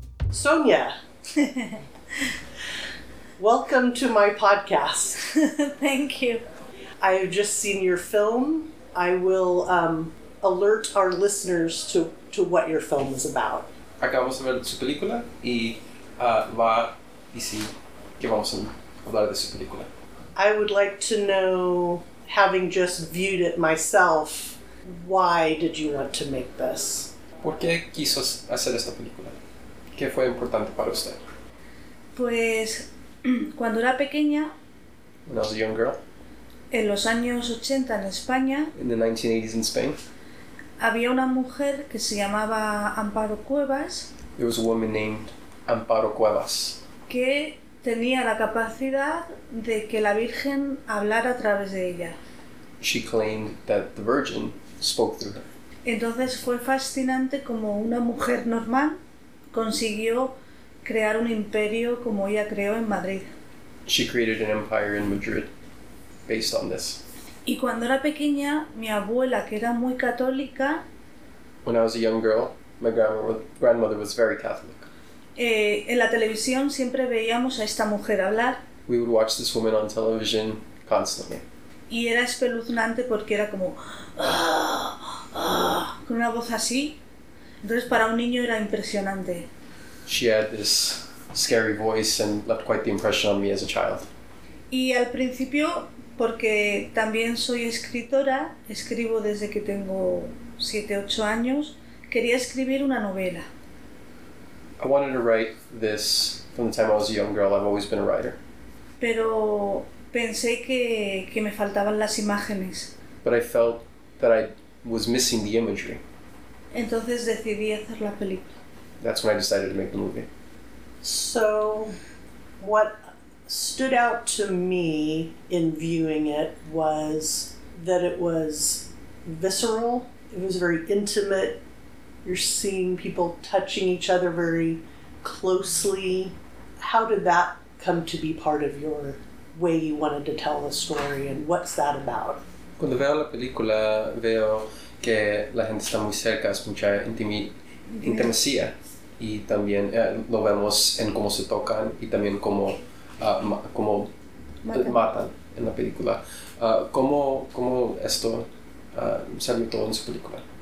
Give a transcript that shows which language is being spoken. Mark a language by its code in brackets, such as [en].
[en] Sonia, welcome to my podcast. Thank you. I have just seen your film. I will alert our listeners to what your film is about. [es] Acabamos de ver su película y va y si que vamos a hablar de su película. [en] I would like to know, having just viewed it myself, why did you want to make this? [es] ¿Por qué quiso hacer esta película? ¿Qué fue importante para usted? Pues, cuando era pequeña. [en] When I was a young girl. [es] En los años 80 en España. [en] In the 1980s in Spain. [es] Había una mujer que se llamaba Amparo Cuevas. [en] There was a woman named Amparo Cuevas. [es] Que tenía la capacidad de que la Virgen hablara a través de ella. [en] She claimed that the Virgin spoke through her. [es] Entonces fue fascinante como una mujer normal consiguió crear un imperio como ella creó en Madrid. [en] She created an empire in Madrid based on this. [es] Y cuando era pequeña, mi abuela, que era muy católica. [en] When I was a young girl, my grandmother was very Catholic. [es] En la televisión siempre veíamos a esta mujer hablar. [en] We would watch this woman on television constantly. [es] Y era espeluznante porque era como con una voz así. Entonces para un niño era impresionante. [en] She had this scary voice and left quite the impression on me as a child. [es] Y al principio, porque también soy escritora, escribo desde que tengo 7-8 años, quería escribir una novela. [en] I wanted to write this from the time I was a young girl. I've always been a writer. [es] Pero pensé que me faltaban las imágenes. [en] But I felt that I was missing the imagery. [es] Entonces decidí hacer la película. [en] That's when I decided to make the movie. So, what stood out to me in viewing it was that it was visceral. It was very intimate. You're seeing people touching each other very closely, how did that come to be part of your way you wanted to tell the story, and what's that about? [es] Quando veo la película veo [it] che la gente sta molto cerca, c'è [es] mucha intimacia, e también lo vemos en cómo se tocan y también cómo cómo matan en la película. ¿Cómo esto salió todo en su película?